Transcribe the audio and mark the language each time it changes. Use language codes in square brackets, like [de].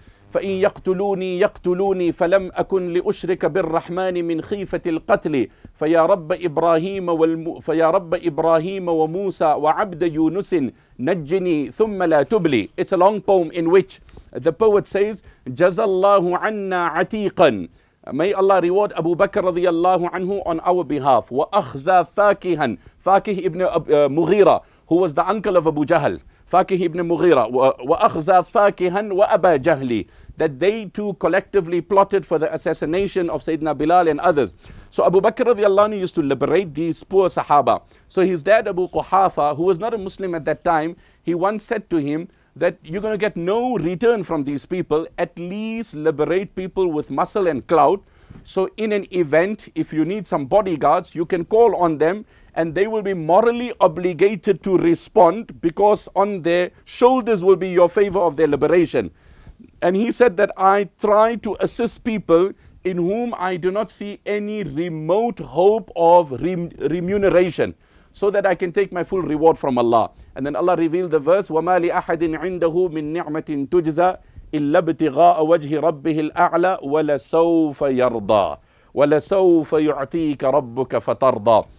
[ar] فَإِنْ يَقْتُلُونِي يَقْتُلُونِي فَلَمْ أَكُنْ لِأُشْرِكَ بِالرَّحْمَنِ مِنْ خِيفَةِ الْقَتْلِ فَيَا رَبَّ إِبْرَاهِيمَ فَيَا رَبَّ إِبْرَاهِيمَ وَمُوسَى وَعَبْدَ يُونُسٍ نَجِّنِي ثُمَّ لَا تُبْلِي. [en] It's a long poem in which the poet says, [ar] جَزَى اللَّهُ عَنَّا عَتِيقًا. [en] May Allah reward Abu Bakr radiallahu anhu on our behalf. [ar] وَأَخْزَى فَاكِهًا. [en] Faqih ibn Mughira, who was the uncle of Abu Jahl. [ar] Faqih ibn Mughira, وَأَخْزَى فَاكِهًا وَأَبَى جَهْلِ. [en] That they too collectively plotted for the assassination of Sayyidina Bilal and others. So Abu Bakr radiallahu anhu used to liberate these poor Sahaba. So his dad Abu Quhafa, who was not a Muslim at that time, he once said to him that you're going to get no return from these people, at least liberate people with muscle and clout. So in an event, if you need some bodyguards, you can call on them and they will be morally obligated to respond because on their shoulders will be your favor of their liberation. And he said that I try to assist people in whom I do not see any remote hope of remuneration so that I can take my full reward from Allah. And then Allah revealed the verse, [ar] وَمَا لِأَحَدٍ عِنْدَهُ مِنْ نِعْمَةٍ تُجْزَى إِلَّا بِتِغَاءَ وَجْهِ رَبِّهِ الْأَعْلَى وَلَسَوْفَ يَرْضَى وَلَسَوْفَ يُعْتِيكَ رَبُّكَ فَتَرْضَى.